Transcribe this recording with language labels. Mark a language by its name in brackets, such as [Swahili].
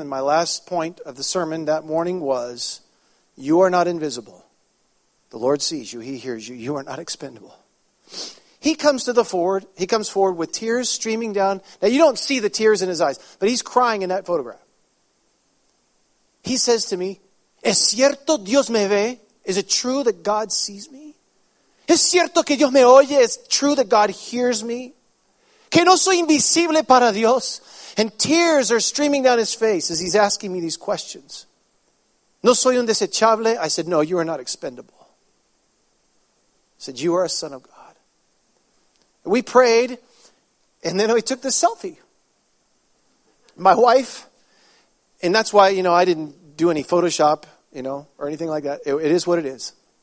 [English] And my last point of the sermon that morning was, you are not invisible. The Lord sees you. He hears you. You are not expendable. He comes forward with tears streaming down. Now, you don't see the tears in his eyes, but he's crying in that photograph. He says to me, [Spanish] ¿Es cierto Dios me ve? [English] Is it true that God sees me? [Spanish] ¿Es cierto que Dios me oye? [English] Is it true that God hears me? [Spanish] que no soy invisible para Dios. [English] And tears are streaming down his face as he's asking me these questions. [Spanish] No soy un desechable. [English] I said, no, you are not expendable. I said, you are a son of God. We prayed, and then we took the selfie. My wife, and that's why, you know, I didn't do any Photoshop, you know, or anything like that. It is what it is.